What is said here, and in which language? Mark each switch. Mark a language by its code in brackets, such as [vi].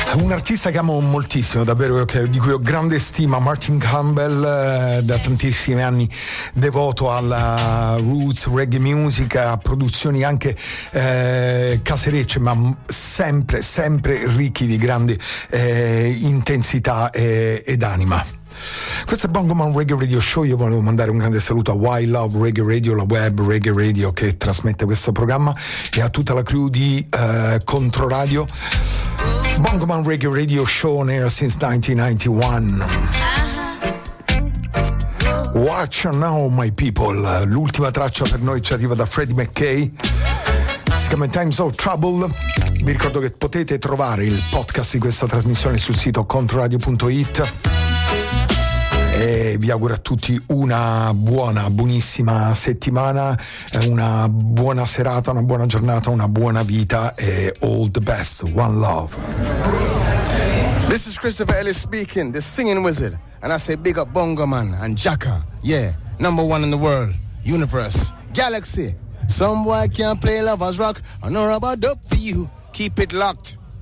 [it] artista che amo moltissimo, davvero, di cui ho grande stima, Martin Campbell, da tantissimi anni devoto alla roots, reggae music, a produzioni anche caserecce, ma sempre, sempre ricchi di grande intensità ed anima. Questo è Bongoman Reggae Radio Show. Io volevo mandare un grande saluto a Wild Love Reggae Radio, la web Reggae Radio che trasmette questo programma, e a tutta la crew di Controradio. [en] Bongoman Reggae Radio Show on air since 1991. [it] Watch Now My People, l'ultima traccia per noi ci arriva da Freddie McKay, si chiama Times of Trouble. Vi ricordo che potete trovare il podcast di questa trasmissione sul sito controradio.it. E vi auguro a tutti una buona, buonissima settimana, una buona serata, una buona giornata, una buona vita, e all the best, one love. [en] This is Christopher Ellis speaking, the singing wizard, and I say big up Bongoman and Jaka, yeah, number one in the world, universe, galaxy. Some boy can't play lovers rock, I know about dope for you, keep it locked.